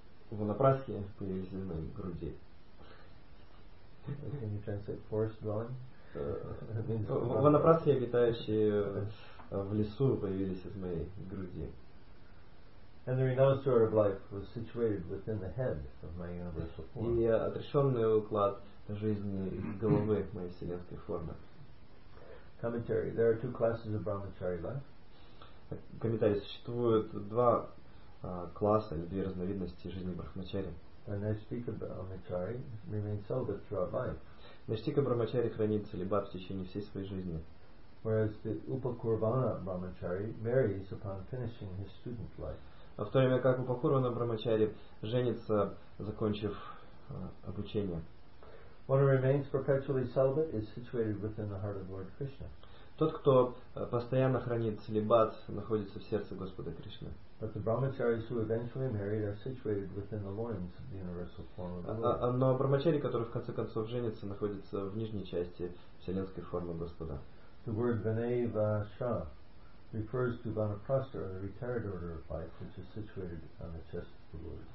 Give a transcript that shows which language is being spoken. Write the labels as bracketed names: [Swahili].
[Russian] Ванапрасхи появились из моей груди. [English] Can you translate forest dwelling? [Russian] Ванапрасхи, обитающие в лесу, появились из моей груди. [English] And the renounced order of life was situated within the head of my universal form. [Russian] И отрешенный уклад жизни головы моей вселенской формы. [English] Commentary: there are two classes of brahmachari life. [Russian] Комментарий: существует два класса или две разновидности жизни брахмачари. [English] And I speak of brahmachari remains celibate throughout life. [Russian] Начтика брахмачари хранит целибат в течение всей своей жизни. [English] Whereas the upakurvana brahmachari marries upon finishing his student life. [Russian] А в то время как Упакурвана Брахмачари женится, закончив обучение. [English] One who remains perpetually celibate is situated within the heart of Lord Krishna. [Russian] Тот, кто постоянно хранит целибат, находится в сердце Господа Кришны. [English] But the Brahmacharis who eventually married are situated within the loins of the universal form of the Lord. [Russian] Но Брахмачари, который в конце концов женится, находится в нижней части вселенской формы Господа. [English] The word Vanevasha refers to Vanaprastha, the retired order of life, which is situated on the chest of the Lord.